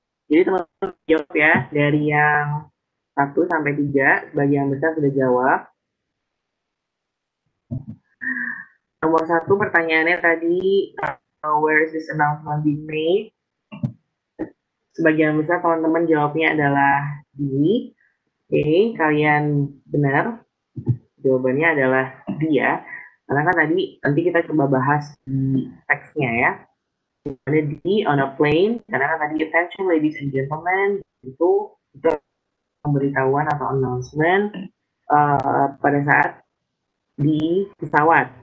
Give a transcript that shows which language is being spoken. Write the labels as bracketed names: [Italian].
[Indonesian] Jadi teman-teman jawab ya, dari yang 1 sampai 3, bagi yang besar sudah jawab. Nomor 1 pertanyaannya tadi, [English] where is this announcement being made? [Indonesian] Sebagian besar teman-teman jawabnya adalah di. Okay, kalian benar, jawabannya adalah di ya. Karena kan tadi, nanti kita coba bahas di teksnya ya. Jadi di [English] on a plane, [Indonesian] karena tadi [English] attention ladies and gentlemen, [Indonesian] itu pemberitahuan atau announcement pada saat di pesawat.